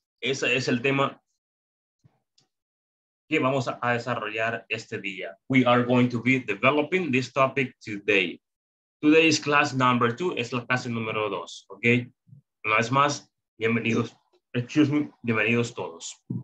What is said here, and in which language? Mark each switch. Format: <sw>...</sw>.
<es>Ese es el tema que vamos a desarrollar este día.</es> <en>We are going to be developing this topic today. Today is class number 2,</en> <es>es la clase número 2. Okay, una vez más, bienvenidos,</es> <en>excuse me,</en> <es>bienvenidos todos.</es>